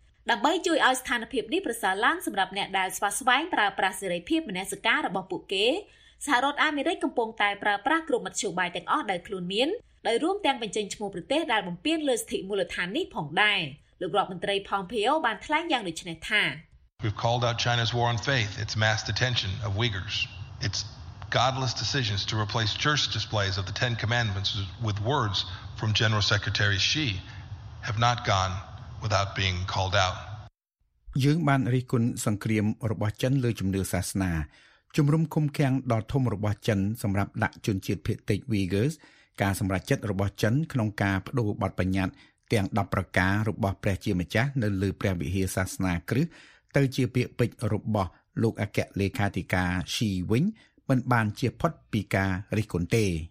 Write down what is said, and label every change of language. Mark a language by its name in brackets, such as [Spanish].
[Khmer] ដើម្បីជួយឲ្យស្ថានភាពនេះប្រសើរឡើងសម្រាប់អ្នកដែលស្វាស្វែងប្រើប្រាស់សេរីភាពមនសិការរបស់ពួកគេសហរដ្ឋអាមេរិកកំពុងតែប្រើប្រាស់គ្រប់មធ្យោបាយទាំងអស់ដែលខ្លួនមានដោយរួមទាំងបញ្ចេញឈ្មោះប្រទេសដែលបំពានលើសិទ្ធិមូលដ្ឋាននេះផងដែរលោករដ្ឋមន្ត្រី Pompeo បានថ្លែងយ៉ាងដូចនេះថា [English] We've called out China's war on faith. It's mass detention of Uyghurs. It's godless decisions to replace church displays of the Ten Commandments with words from General Secretary Xi have not gone without being called out. [Khmer] យើងបានរិះគន់សង្គ្រាមរបស់ចិនលើជំនឿសាសនាជំរំឃុំឃាំងដល់ធំរបស់ចិនសម្រាប់ដាក់ជនជាតិភាគតិច Uyghurs ការសម្រេចចិត្តរបស់ចិនក្នុងការបដូរបទបញ្ញត្តិទាំង10ប្រការរបស់ព្រះជាម្ចាស់នៅលើព្រះវិហារសាសនាគ្រឹះទៅជាពាក្យពេចន៍របស់លោកអគ្គលេខាធិការ Xi វិញមិនបានជាផុតពីការរិះគន់ទេ